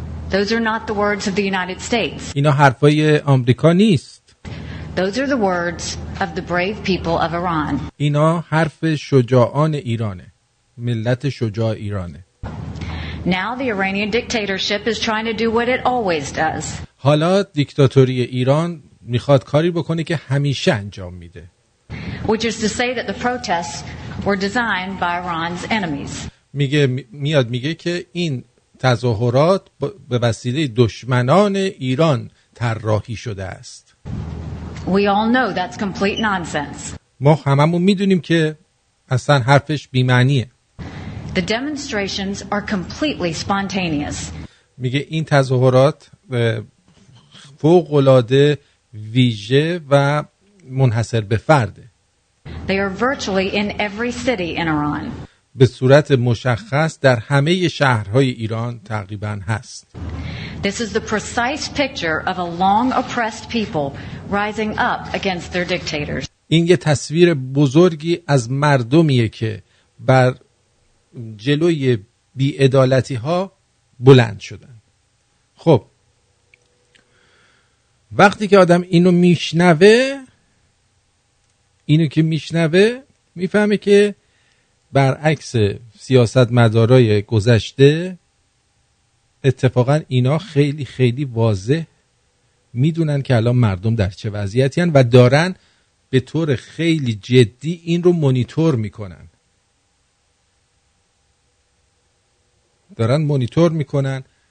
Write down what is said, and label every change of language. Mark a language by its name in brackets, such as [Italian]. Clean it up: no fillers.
[English] Those are not the words of the United States. [Persian] اینا حرفای آمریکا نیست. [English] Those are the words of the brave people of Iran. [Persian] اینا حرف شجاعان ایرانه. ملت شجاع ایرانه. [English] Now the Iranian dictatorship is trying to do what it always does. [Persian] حالا دیکتاتوری ایران میخواد کاری بکنه که همیشه انجام میده. [English] Which is to say that the protests were designed by Iran's enemies. [Persian] میگه میاد میگه که این تظاهرات به وسیله دشمنان ایران طراحی شده است. [English] We all know that's complete nonsense. [Persian] ما هممون میدونیم که اصلا حرفش بی معنیه. [English] The demonstrations are completely spontaneous. [Persian] میگه این تظاهرات فوق العاده ویژه و منحصر به فرده. [English] They are virtually in every city in Iran. [Persian] به صورت مشخص در همه شهرهای ایران تقریبا هست. [English] This is the precise picture of a long oppressed people rising up against their dictators. [Persian] این یه تصویر بزرگی از مردمیه که بر جلوی بی‌عدالتی ها بلند شدن. خب وقتی که آدم اینو میشنوه، اینو که میشنوه میفهمه که برعکس سیاست مدارای گذشته، اتفاقا اینا خیلی خیلی واضح میدونن که الان مردم در چه وضعیتی هن و دارن به طور خیلی جدی این رو مونیتور میکنن، دارن مونیتور میکنن.